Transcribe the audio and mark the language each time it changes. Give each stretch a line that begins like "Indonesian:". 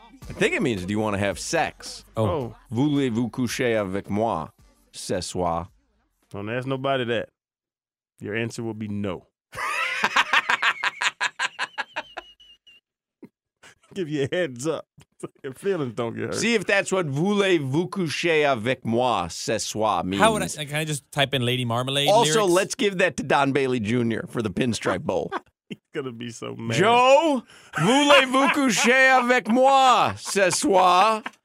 English: I think it means, do you want to have sex? Oh.
French: Voulez-vous coucher avec moi ce soir?
English: Don't ask nobody that. Your answer will be no. Give you a heads up. Your feelings don't get hurt. See if that's what
French: voulez-vous coucher avec moi ce soir
English: means. How would I, can I just type in Lady Marmalade? Also, lyrics? Let's give that to Don Bailey Jr. for the Pinstripe Bowl. He's going to be so mad.
French: Joe, voulez-vous coucher avec moi ce soir?